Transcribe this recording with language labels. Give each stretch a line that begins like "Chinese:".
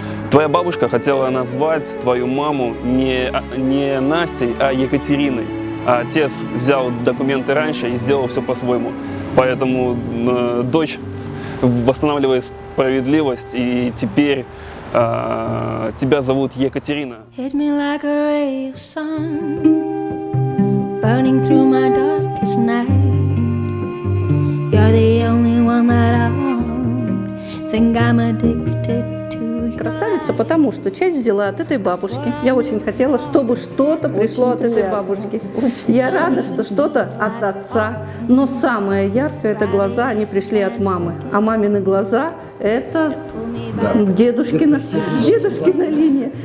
Russian: Твоя бабушка хотела назвать твою маму не Настей, а Екатериной. А отец взял документы раньше и сделал все по-своему. Поэтому дочь восстанавливает справедливость, и теперь тебя зовут Екатерина.
English: Hit me like a ray of sun, burning through my darkest night. You're the only one that I want. Think I'm addicted.
Russian: Красавица, потому что часть взяла от этой бабушки. Я очень хотела, чтобы что-то пришло очень от этой бабушки. Я рада, что что-то от отца. Но самое яркое – это глаза, они пришли от мамы. А мамины глаза – это дедушкина линия.